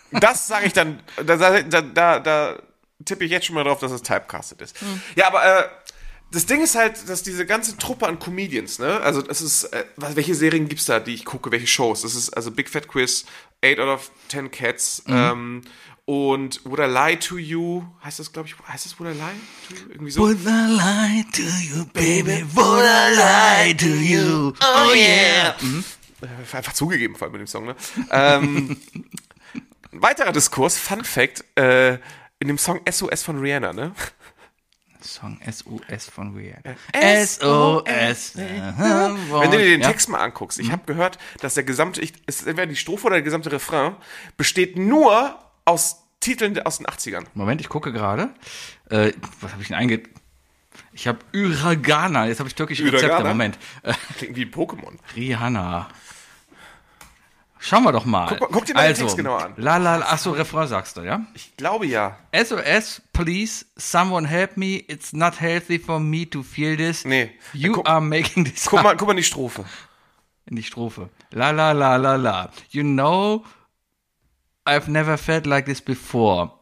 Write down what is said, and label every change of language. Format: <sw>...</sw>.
<de>Das sage ich dann, da tippe ich jetzt schon mal drauf, dass es typecasted ist. Mhm. Ja, aber das Ding ist halt, dass diese ganze Truppe an Comedians, ne? Also es ist, welche Serien gibt's da, die ich gucke, welche Shows? Das ist also Big Fat Quiz, 8 out of 10 Cats, mhm, und Would I Lie to You, heißt das, glaube ich, heißt das Would I Lie to You? Irgendwie so.</de> <en>Would I lie to you, baby, would I lie to you, oh yeah. Mhm.</en> <de>Einfach zugegeben, vor allem mit dem Song, ne? Ein weiterer Diskurs, Fun Fact, in dem Song SOS von Rihanna, ne? Song SOS von Rihanna. SOS. Wenn du dir den Text mal anguckst, ich habe gehört, dass der gesamte, ist entweder die Strophe oder der gesamte Refrain, besteht nur aus Titeln aus den 80ern. Moment, ich gucke gerade. Was habe ich denn ich habe Uragana, jetzt habe ich türkische Rezepte, Moment. Klingt wie ein Pokémon. Rihanna. Schauen wir doch mal. Guck dir mal den Text genauer an. Achso, Refrain sagst du, ja? Ich glaube ja.</de> <en>SOS, please, someone help me. It's not healthy for me to feel this.</en> <de>Nee.</de> <en>You are making this.</en> <de>Guck mal in die Strophe. In die Strophe. La la la la la.</de> <en>You know, I've never felt like this before.</en>